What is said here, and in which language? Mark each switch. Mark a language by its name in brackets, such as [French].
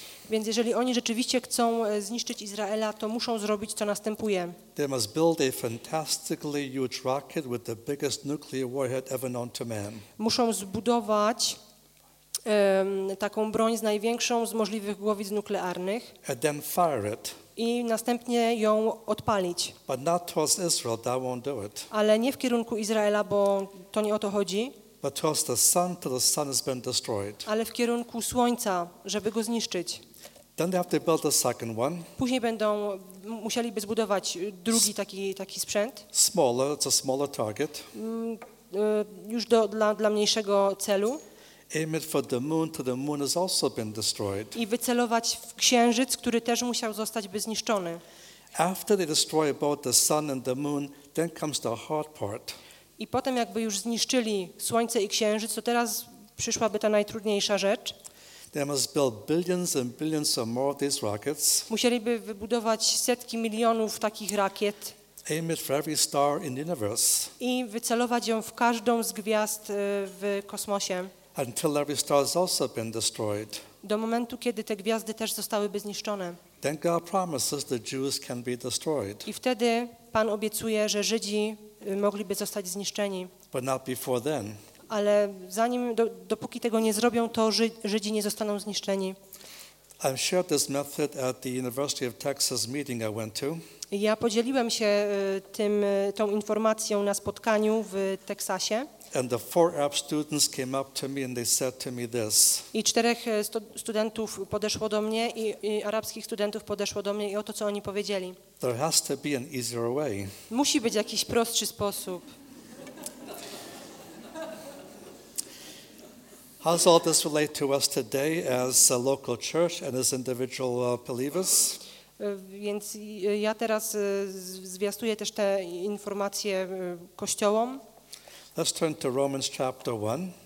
[Polish] Więc jeżeli oni rzeczywiście chcą zniszczyć Izraela, to muszą zrobić, co następuje. [English] They must build a fantastically huge rocket with the biggest nuclear warhead ever known to man. [Polish] Muszą zbudować taką broń z największą z możliwych głowic nuklearnych. [English] And then fire it. [Polish] I następnie ją odpalić. [English] But not towards Israel, that won't do it. [Polish] Ale nie w kierunku Izraela, bo to nie o to chodzi. [English] But towards the sun, till the sun has been destroyed. [Polish] Ale w kierunku Słońca, żeby go zniszczyć. [English] Then they have to build a second one. [Polish] Później będą musieliby zbudować drugi taki sprzęt. [English] Smaller, it's a smaller target. [Polish] Już dla mniejszego celu. [English] Aim it for the moon, till the moon has also been destroyed. [Polish] I wycelować w księżyc, który też musiał zostać by zniszczony. [English] After they destroy both the sun and the moon, then comes the hard part. [Polish] I potem jakby już zniszczyli Słońce i księżyc, to teraz przyszłaby ta najtrudniejsza rzecz. [English] They must build billions and billions or more of these rockets. [Polish] Musieliby wybudować setki milionów takich rakiet. [English] Aim it for every star in the universe. [Polish] I wycelować ją w każdą z gwiazd w kosmosie. [English] Until every star has also been destroyed. [Polish] Do momentu, kiedy te gwiazdy też zostałyby zniszczone. [English] Then God promises the Jews can be destroyed. [Polish] I wtedy Pan obiecuje, że Żydzi mogliby zostać zniszczeni. [English] But not before then. [Polish] Ale zanim, dopóki tego nie zrobią, to Żydzi nie zostaną zniszczeni. [English] I shared this method at the University of Texas meeting I went to. [Polish] Ja podzieliłem się tą informacją na spotkaniu w Teksasie. [English] And the four app students came up to me and they said to me this. [Polish] I czterech studentów podeszło do mnie i arabskich studentów podeszło do mnie i o to, co oni powiedzieli. [English] There has to be an easier way. [Polish] Musi być jakiś prostszy sposób. [English] How does all this relate to us today as a local church and as individual believers? [Polish] Więc ja teraz zwiastuję też te informacje kościołom. [English] Let's turn to Romans chapter 1.